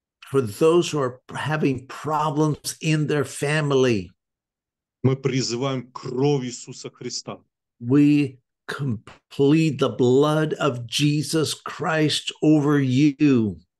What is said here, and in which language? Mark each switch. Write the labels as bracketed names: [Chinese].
[English] For those who are having problems in their family. [Russian] Мы призываем кровь Иисуса Христа. [English] We complete the blood of Jesus Christ over you.